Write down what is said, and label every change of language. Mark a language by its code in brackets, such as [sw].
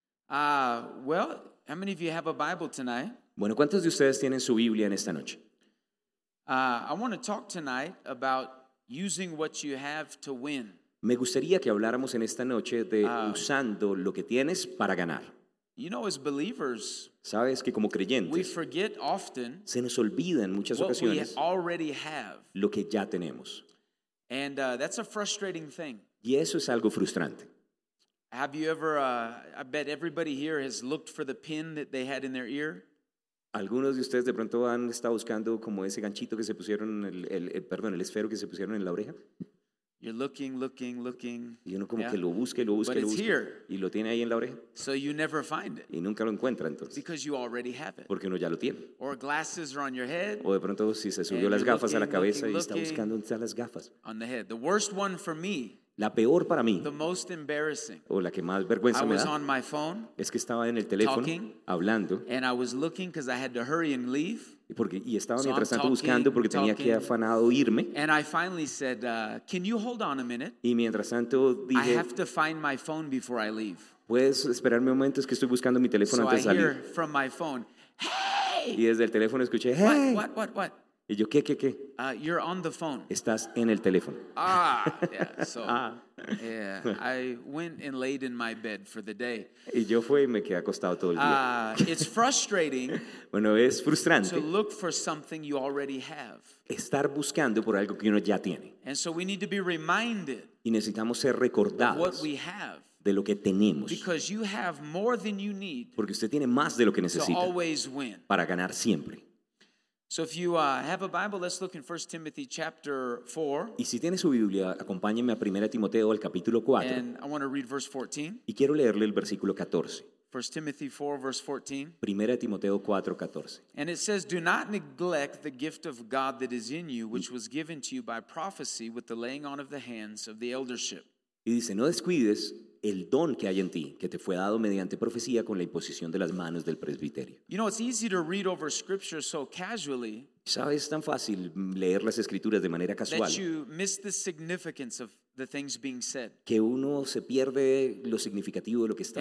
[en] Well, how many of you have a Bible tonight? [es] Bueno, ¿cuántos de ustedes tienen su Biblia en esta noche? [en] I want to talk tonight about using what you have to win. [es] Me gustaría que habláramos en esta noche de usando lo que tienes para ganar. [en] You know, as believers, [es] sabes que como creyentes, [en] we forget often [es] se nos olvida en muchas ocasiones [en] what we already have. [es] Lo que ya tenemos. [en] And that's a frustrating thing. [es] Y eso es algo frustrante. [en] Have you ever, I bet everybody here has looked for the pin that they had in their ear. [es] Algunos de ustedes de pronto han estado buscando como ese ganchito que se pusieron, el esfero que se pusieron en la oreja. [en] You're looking. [es] Y uno como que lo busca, [en] but it's here. [es] Y lo tiene ahí en la oreja. [en] So you never find it. [es] Y nunca lo encuentra entonces. [en] Because you already have it. [es] Porque uno ya lo tiene. [en] Or glasses are on your head. [es] O de pronto si se subió las gafas a la cabeza y está buscando dónde están las gafas. [en] On the head. The worst one for me. [es] La peor para mí, [en] the most embarrassing, [es] o la que más vergüenza me da, [en] on my phone, [es] es que estaba en el teléfono [en] talking, [es] hablando, [en] and I was looking because I had to hurry and leave. [es] Y estaba mientras tanto buscando porque [en] talking, [es] tenía que afanado irme. [en] And I finally said, "Can you hold on a minute?" [es] Y mientras tanto dije, [en] "I have to find my phone before I leave." [es] Puedes esperarme un momento, es que estoy buscando mi teléfono [en] so [es] antes de salir. [en] So I hear from my phone, "Hey!" [es] Y desde el teléfono escuché, "Hey!" [en] What? [es] Y yo, ¿qué? [en] You're on the phone. [es] Estás en el teléfono. [en] Ah, yeah. So, yeah. I went and laid in my bed for the day. [es] Y yo fui y me quedé acostado todo el día. [en] It's frustrating. [es] Bueno, es frustrante. [en] To look for something you already have. [es] Estar buscando por algo que uno ya tiene. [en] And so we need to be reminded. [es] Y necesitamos ser recordados. [en] Of what we have. [es] De lo que tenemos. [en] Because you have more than you need. [es] Porque usted tiene más de lo que necesita. [en] To always win. [es] Para ganar siempre. [en] So if you have a Bible, let's look in 1 Timothy chapter 4. [es] Y si tiene su Biblia, acompáñeme a 1 Timoteo al capítulo 4. [en] And I want to read verse 14. [es] Y quiero leerle el versículo 14. [en] 1 Timothy 4 verse 14. [es] 1 Timoteo 4:14. [en] And it says, "Do not neglect the gift of God that is in you, which was given to you by prophecy with the laying on of the hands of the eldership." [es] Y dice, "No descuides el don que hay en ti, que te fue dado mediante profecía con la imposición de las manos del presbiterio." [en] You know, it's easy to read over scripture so casually. [es] ¿Sabes? Es tan fácil leer las escrituras de manera casual. That you miss the significance of the things being said. Que uno se pierde lo significativo de lo que está